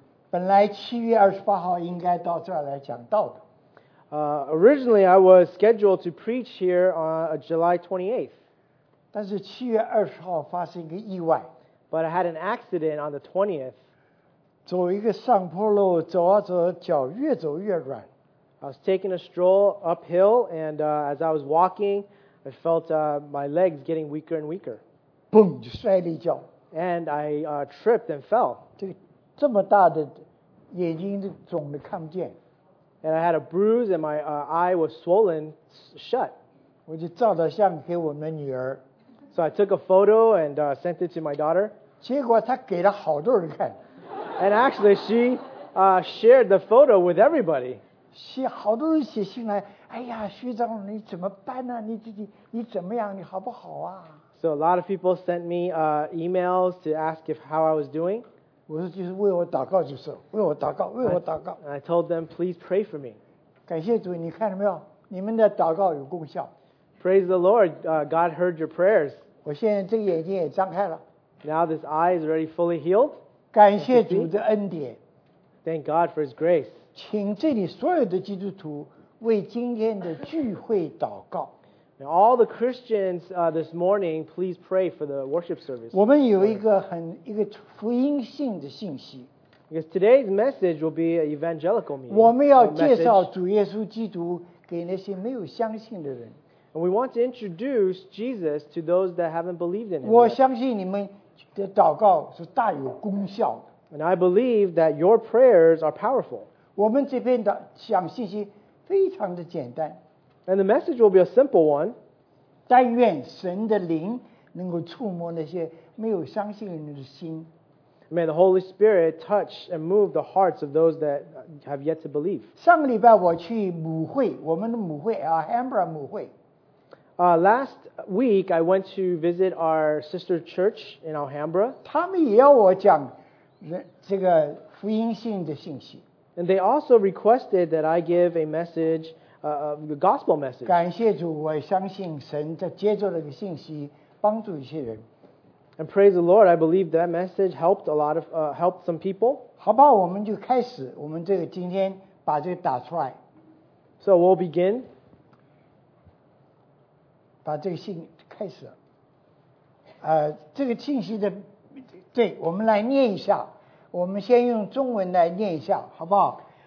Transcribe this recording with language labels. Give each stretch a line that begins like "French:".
Chinese: 本来七月二十八号应该到这儿来讲道的。
English: Originally, I was scheduled to preach here on July 28th.
Chinese: 但是七月二十号发生一个意外。
English: But I had an accident on the 20th.
Chinese: 走一个上坡路，走啊走，脚越走越软。
English: I was taking a stroll uphill, and as I was walking, I felt my legs getting weaker and weaker.
Chinese: Boom, 就摔了一跤。
English: And I tripped and fell.
Chinese: 这么大的眼睛肿得看不见。
English: And I had a bruise and my eye was swollen shut.
Chinese: 我就照了相给我们女儿。
English: So I took a photo and sent it to my daughter.
Chinese: 结果她给了好多人看。
English: And actually she shared the photo with everybody.
Chinese: 好多人写信来，哎呀，学长你怎么办呢？你自己，你怎么样？你好不好啊？
English: So a lot of people sent me emails to ask if how I was doing.
Chinese: 我说就是为我祷告就是，为我祷告，为我祷告。
English: I told them, please pray for me.
Chinese: 感谢主，你看到没有？你们的祷告有功效。
English: Praise the Lord, God heard your prayers.
Chinese: 我现在这个眼睛也张开了。
English: Now this eye is already fully healed.
Chinese: 感谢主的恩典。
English: Thank God for His grace.
Chinese: 请这里所有的基督徒为今天的聚会祷告。
English: Now, all the Christians this morning, please pray for the worship service.
Chinese: 我们有一个福音性的信息。
English: Because today's message will be an evangelical meeting.
Chinese: 我们要介绍主耶稣基督给那些没有相信的人。
English: And we want to introduce Jesus to those that haven't believed in him.
Chinese: 我相信你们的祷告是大有功效的。
English: And I believe that your prayers are powerful.
Chinese: 我们这边的讲信息非常的简单。
English: And the message will be a simple one.
Chinese: 但愿神的灵能够触摸那些没有相信人的心。
English: May the Holy Spirit touch and move the hearts of those that have yet to believe.
Chinese: 上个礼拜我去母会，我们的母会 Alhambra 母会。
English: Last week I went to visit our sister church in Alhambra.
Chinese: 他们也要我讲这个福音性的信息。
English: And they also requested that I give a message. The gospel message.
Chinese: 感谢主，我相信神在接着这个信息帮助一些人。
English: And praise the Lord, I believe that message helped a lot of helped some people.
Chinese: 好吧，我们就开始，我们这个今天把这个打出来。
English: So we'll begin.
Chinese: 把这个信开始。这个信息的，对，我们来念一下。我们先用中文来念一下，好不好？